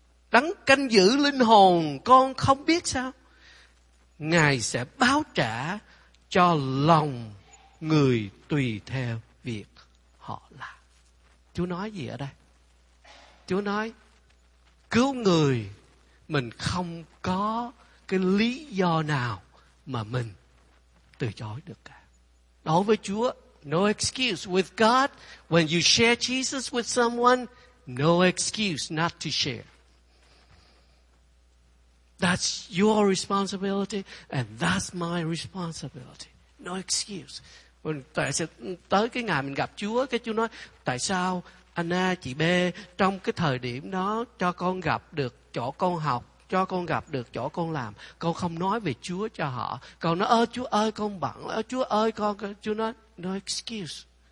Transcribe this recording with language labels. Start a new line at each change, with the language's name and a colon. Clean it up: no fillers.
Vietnamese: đấng canh giữ linh hồn con không biết sao? Ngài sẽ báo trả cho lòng người tùy theo việc họ làm. Chúa nói gì ở đây? Chúa nói, cứu người, mình không có cái lý do nào mà mình từ chối được cả. Đối với Chúa,
English: no excuse. With God, when you share Jesus with someone, no excuse not to share. That's your responsibility and that's my responsibility. No excuse.
Vietnamese: Tại sẽ tới cái ngày mình gặp Chúa, cái Chúa nói, tại sao anh A, chị B trong cái thời điểm đó cho con gặp được chỗ con học, cho con gặp được chỗ con làm, con không nói về Chúa cho họ. Con nói, ơ Chúa ơi con bận, ơ Chúa ơi con, Chúa nói,
English: no excuse.